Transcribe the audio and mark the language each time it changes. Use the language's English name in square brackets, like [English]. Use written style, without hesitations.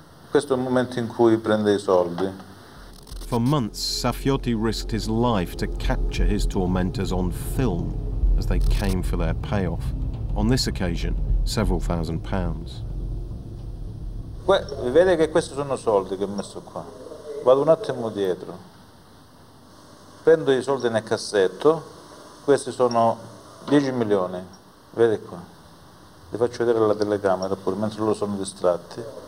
[Italian] Questo è il momento in cui prende I soldi. [English] For months, Saffiotti risked his life to capture his tormentors on film as they came for their payoff. On this occasion, several thousand pounds. [Italian] Vede che questi sono soldi che ho messo qua. Vado un attimo dietro. Prendo I soldi nel cassetto. Questi sono 10 milioni. Vede qua. Li faccio vedere alla telecamera pure mentre loro sono distratti.